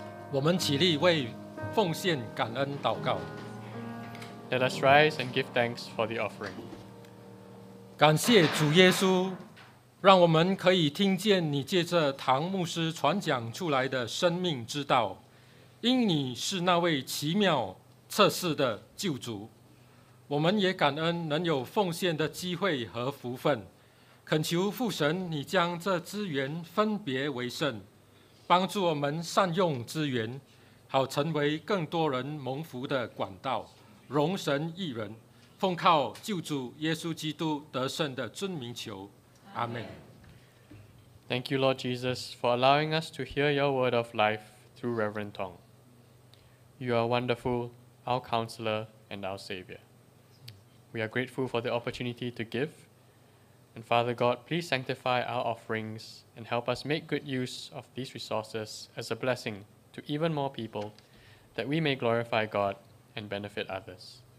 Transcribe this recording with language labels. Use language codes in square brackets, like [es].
[zh] 我们起立为奉献感恩祷告。 [en] Let us rise and give thanks for the offering. [zh] 感谢主耶稣，让我们可以听见你借着唐牧师传讲出来的生命之道，因你是那位奇妙测试的救主。我们也感恩能有奉献的机会和福分，恳求父神你将这资源分别为圣，帮助我们善用资源，好成为更多人蒙福的管道，荣神益人。奉靠救主耶稣基督得胜的尊名求，阿门。 [en] Thank you, Lord Jesus, for allowing us to hear your word of life through Reverend Tong. You are wonderful, our counselor and our savior. We are grateful for the opportunity to give. And Father God, please sanctify our offerings and help us make good use of these resources as a blessing to even more people, that we may glorify God and benefit others.